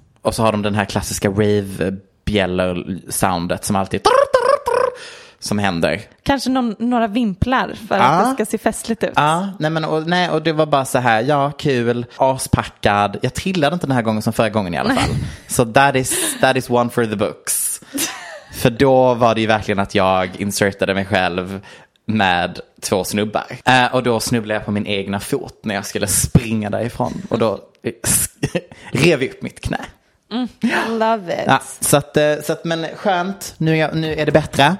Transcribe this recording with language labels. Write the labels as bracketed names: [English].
[Swedish] Och så har de den här klassiska rave bjäller soundet som alltid som händer. Kanske några vimplar för att det ska se festligt ut. Ja, och det var bara så här, ja, kul, aspackad. Jag trillade inte den här gången som förra gången i alla fall. [English] Så that is one for the books. [Swedish] För då var det ju verkligen att jag insertade mig själv med 2 snubbar. Och då snubblade jag på min egna fot när jag skulle springa därifrån. Och då rev jag upp mitt knä. [English] Mm, love it. [Swedish] Ja, men skönt, nu är det bättre.